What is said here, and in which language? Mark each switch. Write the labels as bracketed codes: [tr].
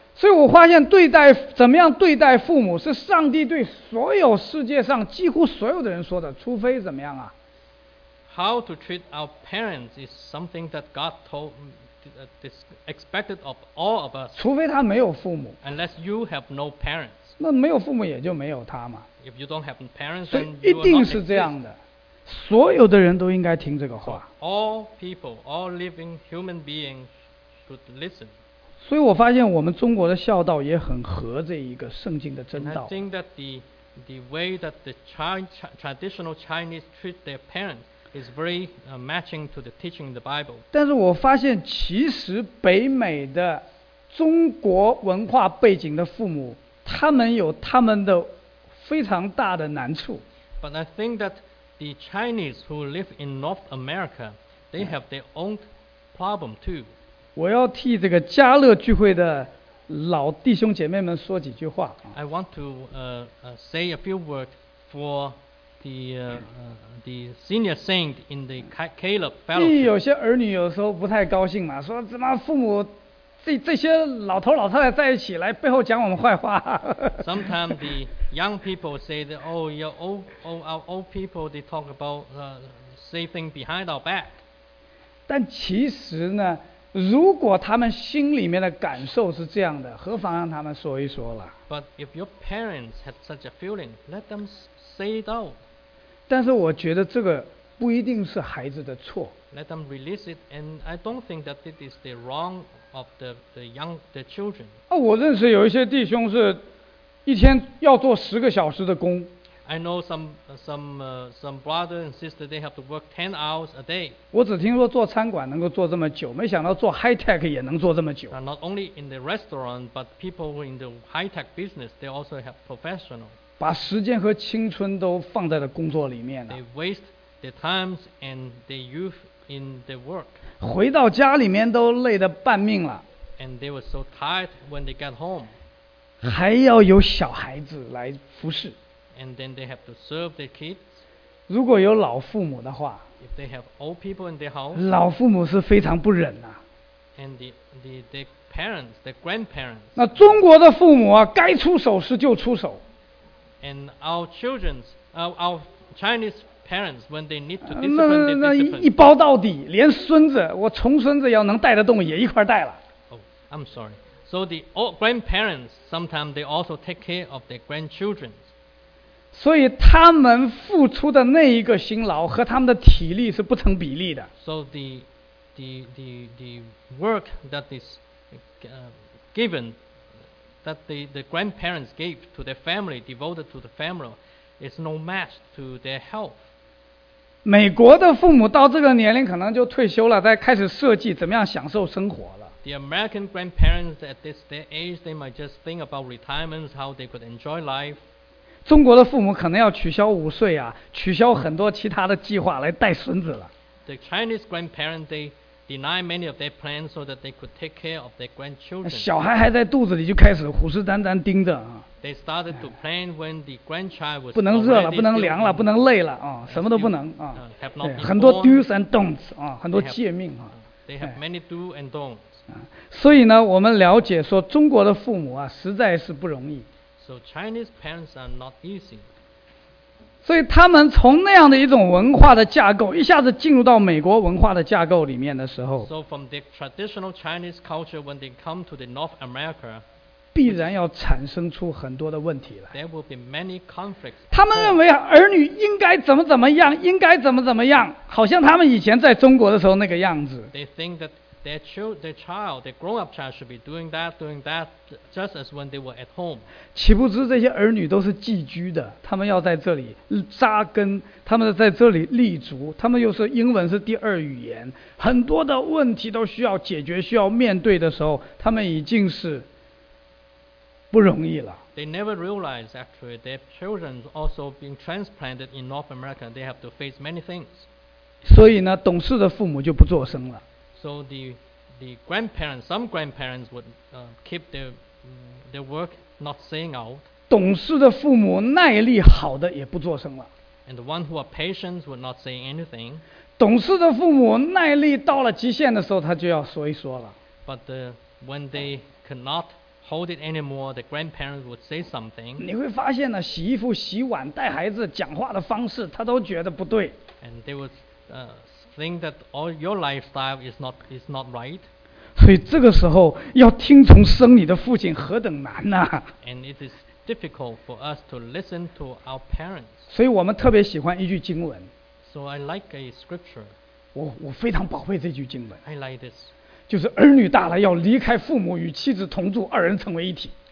[zh] 所以我发现对待怎么样对待父母是上帝对所有世界上几乎所有的人说的除非怎么样啊 [en] How to treat our parents is something that God told me This expected of all of us, [zh] 除非他没有父母 [en] unless you have no parents, [zh] 那没有父母也就没有他嘛 [en] if you don't have parents, [zh] 所以一定是这样的所有的人都应该听这个话 [en] so, all people, all living human beings should listen [zh] 所以我发现我们中国的孝道也很合这一个圣经的真道 [en] and I think that the way that the traditional Chinese treat their parents is very matching to the teaching in the Bible. [zh] 但是我发现其实北美的中国文化背景的父母他们有他们的非常大的难处。 [en] But I think that the Chinese who live in North America, they have their own problem too. [zh] 我要替这个加勒聚会的老弟兄姐妹们说几句话。 [en] I want to say a few words for the senior saint in the Caleb Fellowship. [zh] 有些儿女有时候不太高兴嘛，说怎么父母这些老头老太太在一起来背后讲我们坏话。 [en] Sometimes the young people say that, oh, our old people they talk about say things behind our back. [zh] 但其实呢，如果他们心里面的感受是这样的，何妨让他们说一说了。 [en] But if your parents had such a feeling, let them say it out. [zh] 但是我觉得这个不一定是孩子的错。 [en] Let them release it, and I don't think that it is the wrong of the children. [zh] 啊，我认识有一些弟兄是，一天要做十个小时的工。 [en] I know some brother and sister they have to work 10 hours a day. [zh] 我只听说做餐馆能够做这么久，没想到做 high tech 也能做这么久。 [en] Not only in the restaurant, but people who are in the high tech business they also have professional. [zh] 把时间和青春都放在了工作里面了。 [en] They waste the times and the youth in the work. [zh] 回到家里面都累得半命了。 [en] And they were so tired when they got home. [zh] 还要有小孩子来服侍。 [en] And then they have to serve their kids. [zh] 如果有老父母的话。 [en] If they have old people in their house. [zh] 老父母是非常不忍啊。 [en] And the parents, the grandparents. [zh] 那中国的父母啊，该出手时就出手。 [en] And our children, our Chinese parents, when they need to discipline, they discipline. [zh] 那一包到底，连孙子，我重孙子要能带得动，也一块带了。 [en] Oh, I'm sorry. So the old grandparents sometimes they also take care of their grandchildren. [zh] 所以他们付出的那一个辛劳和他们的体力是不成比例的。 [en] So the work that is given. That the grandparents gave to their family, devoted to the family, is no match to their health. [zh] 美国的父母到这个年龄可能就退休了，在开始设计怎么样享受生活了。 [en] The American grandparents at this age, they might just think about retirements, how they could enjoy life. [zh] 中国的父母可能要取消午睡啊，取消很多其他的计划来带孙子了。 [en] The Chinese grandparents, they deny many of their plans so that they could take care of their grandchildren. [zh] 小孩还在肚子里就开始虎视眈眈盯着啊。 [en] They started to plan when the grandchild was [zh] 不能热了，不能凉了，不能累了啊，什么都不能啊。 [en] Have not been [zh] 很多 [en] do's and don'ts [zh] 啊，很多诫命啊。 [en] They have many do and don'ts. [zh] 所以呢，我们了解说中国的父母啊，实在是不容易。 [en] So Chinese parents are not easy. [zh] 所以他们从那样的一种文化的架构一下子进入到美国文化的架构里面的时候 [en] So from the traditional Chinese culture when they come to the North America [zh] 必然要产生出很多的问题来。 [en] There will be many conflicts. [zh] 他们认为儿女应该怎么怎么样，应该怎么怎么样，好像他们以前在中国的时候那个样子。 [en] They think that their child, their grown-up child should be doing that, just as when they were at home. [zh] 岂不知这些儿女都是寄居的，他们要在这里扎根，他们在这里立足，他们又是英文是第二语言，很多的问题都需要解决，需要面对的时候，他们已经是。不容易了。 [en] They never realized actually their children also being transplanted in North America. They have to face many things. [zh] 所以呢，懂事的父母就不做声了。 [en] So some grandparents would keep their work not saying out. [zh] 懂事的父母耐力好的也不做声了。 [en] And the one who are patient would not say anything. [zh] 懂事的父母耐力到了极限的时候，他就要说一说了。 [en] But when they cannot. Hold it anymore, the grandparents would say something. [zh] 你会发现呢，洗衣服、洗碗、带孩子，讲话的方式，他都觉得不对。 [en] And they would think that all your lifestyle is not right. [zh] 所以这个时候要听从生你的父亲何等难呐、啊、 [en] ！And it is difficult for us to listen to our parents. [zh] 所以我们特别喜欢一句经文。 [en] So I like a scripture. [zh] 我非常宝贝这句经文。 [en] I like this. [zh] 就是儿女大了要离开父母与妻子同住二人成为一体